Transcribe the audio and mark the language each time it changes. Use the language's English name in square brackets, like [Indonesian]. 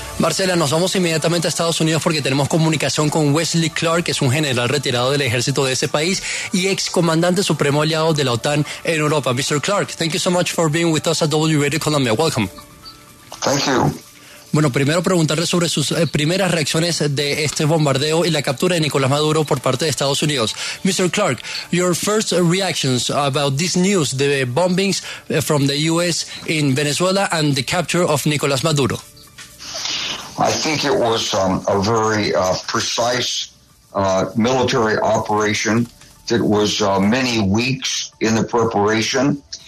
[Spanish] Marcela, nos vamos inmediatamente a Estados Unidos porque tenemos comunicación con Wesley Clark, que es un general retirado del ejército de ese país y excomandante supremo aliado de la OTAN en Europa. [English] Mr. Clark, thank you so much for being with us at W Radio Colombia. Welcome. Thank you. [Spanish] Bueno, primero preguntarle sobre sus primeras reacciones de este bombardeo y la captura de Nicolás Maduro por parte de Estados Unidos. [English] Mr. Clark, your first reactions about this news, the bombings from the U.S. in Venezuela and the capture of Nicolás Maduro. I think it was a very precise military operation that was many weeks in the preparation.